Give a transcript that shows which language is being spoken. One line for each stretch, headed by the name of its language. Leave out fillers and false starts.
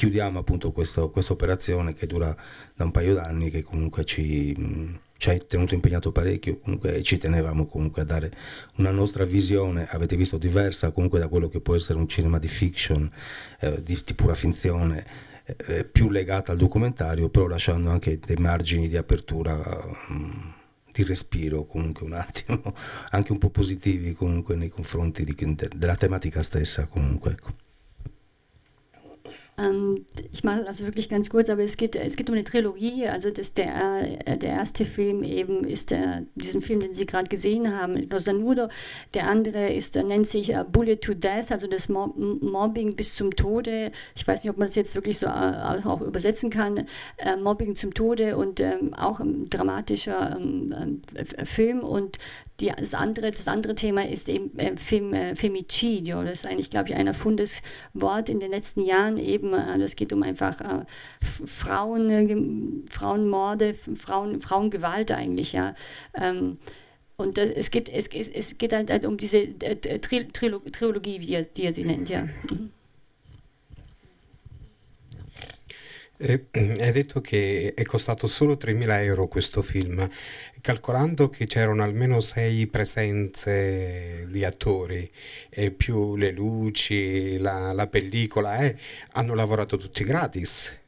Italian: Chiudiamo appunto questa operazione che dura da un paio d'anni, che comunque ci ha tenuto impegnato parecchio, comunque ci tenevamo comunque a dare una nostra visione, avete visto, diversa comunque da quello che può essere un cinema di fiction, di pura finzione, più legata al documentario, però lasciando anche dei margini di apertura, di respiro comunque un attimo, anche un po' positivi comunque nei confronti della tematica stessa comunque, ecco.
German: Ich mache das wirklich ganz kurz, aber es geht um eine Trilogie, also der erste Film eben ist diesen Film, den Sie gerade gesehen haben, Rosa Nudo, der andere ist, nennt sich Bullet to Death, also das Mobbing bis zum Tode, ich weiß nicht, ob man das jetzt wirklich so auch übersetzen kann, Mobbing zum Tode und auch ein dramatischer Film und das andere Thema ist eben Femicidio. Das ist eigentlich, glaube ich, ein erfundenes Wort in den letzten Jahren eben. Das geht um einfach Frauenmorde, Frauengewalt eigentlich, ja. Und das, es geht halt um diese Trilogie, die er sie nennt, ja.
Italian: Hai detto che è costato solo 3.000 euro questo film, calcolando che c'erano almeno 6 presenze di attori, e più le luci, la pellicola, hanno lavorato tutti gratis.